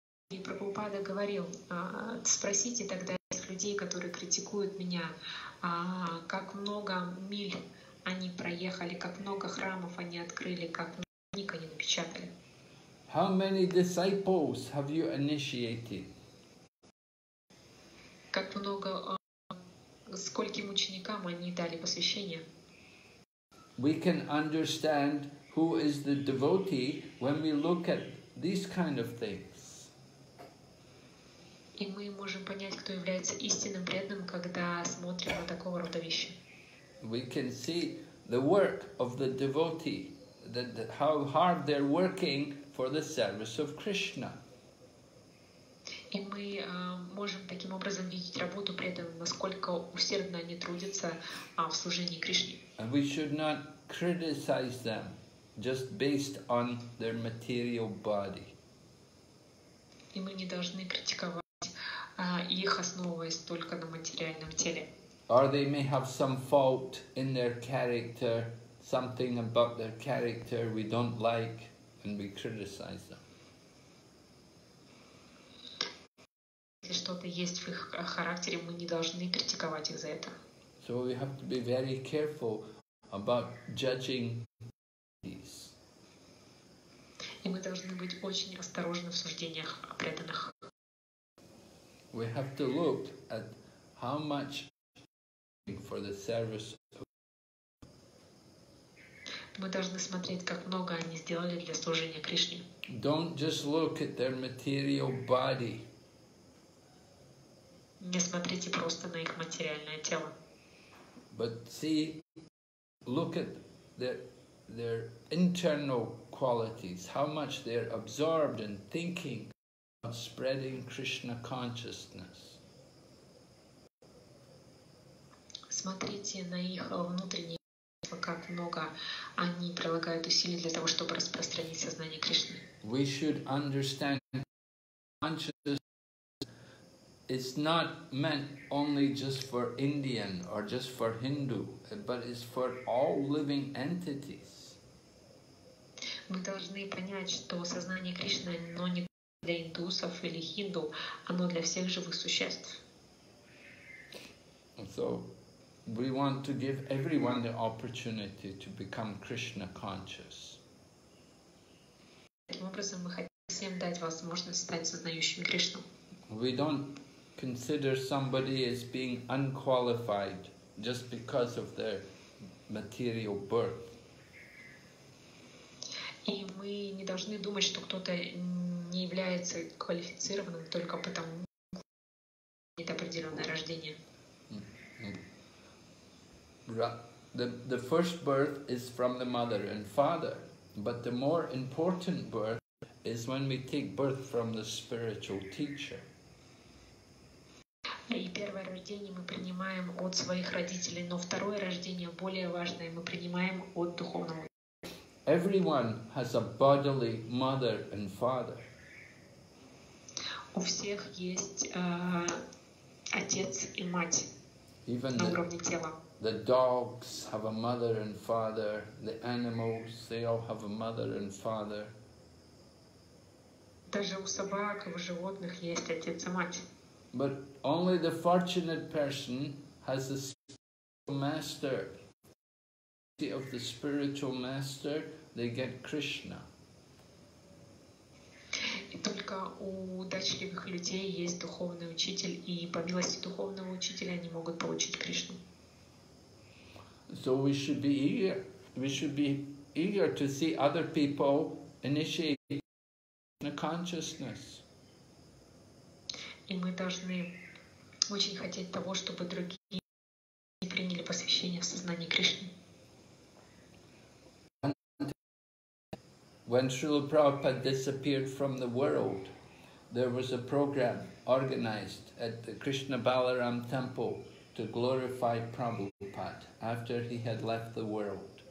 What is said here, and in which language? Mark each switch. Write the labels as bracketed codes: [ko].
[ru] И Прабхупада говорил, спросите тогда людей, которые критикуют меня, как много миль они проехали, как много храмов они открыли, как много книг они напечатали. [en] How many disciples have you initiated? [ru] Как много, скольким ученикам они дали посвящение? [en] We can understand who is the devotee when we look at these kind of things. [ru] И мы можем понять, кто является истинным преданным, когда смотрим на такого рода вещи. [en] We can see the work of the devotee, that how hard they're working for the service of Krishna. [ru] И мы можем таким образом видеть работу преданного, насколько усердно они трудятся в служении Кришне. [en] And we should not criticize them just based on their material body. [ru] И мы не должны критиковать их, основываясь только на материальном теле. [en] Or they may have some fault in their character, something about their character we don't like, and we criticize them. [ru] если что-то есть в их характере, мы не должны критиковать их за это. [en] So we have to be very careful about judging these. [ru] И мы должны быть очень осторожны в суждениях о преданных. [en] We have to look at how much for the service of. [ru] Мы должны смотреть, как много они сделали для служения Кришне. [en] Don't just look at their material body. [ru] Не смотрите просто на их материальное тело. [en] But see, look at their internal qualities, how much they're absorbed in thinking about spreading Krishna consciousness. [ru] Смотрите на их внутренние качества, как много они прилагают усилий для того, чтобы распространить сознание Кришны. [en] We should understand consciousness. It's not meant only just for Indian or just for Hindu, but it's for all living entities. [ru] Мы должны понять, что сознание Кришны, оно не для индусов или хинду, оно для всех живых существ. [en] So we want to give everyone the opportunity to become Krishna conscious. [ru] Таким образом, мы хотим всем дать возможность стать сознающим Кришну. [en] We don't consider somebody as being unqualified just because of their material birth. [ru] И мы не должны думать, что кто-то не является квалифицированным только потому, что имеет определенное рождение. [en] The first birth is from the mother and father, but the more important birth is when we take birth from the spiritual teacher. [ru] И первое рождение мы принимаем от своих родителей, но второе рождение более важное мы принимаем от духовного. [en] Everyone has a bodily mother and father. [ru] У всех есть отец и мать. [en] Even [ru] на уровне тела. [en] The dogs have a mother and father. The animals, they all have a mother and father. [ru] Даже у собак и у животных есть отец и мать. [en] But only the fortunate person has a spiritual master. Of the spiritual master, they get Krishna. [ru] И только у удачливых людей есть духовный учитель, и по милости духовного учителя они могут получить Кришну. [en] So we should be eager. We should be eager to see other people initiate Krishna consciousness. [ru] И мы должны очень хотеть того, чтобы другие не приняли посвящение в сознании Кришны. [en] When Srila Prabhupada disappeared from the world, there was a program organized at the Krishna Balaram temple to glorify Prabhupada after he had left the world.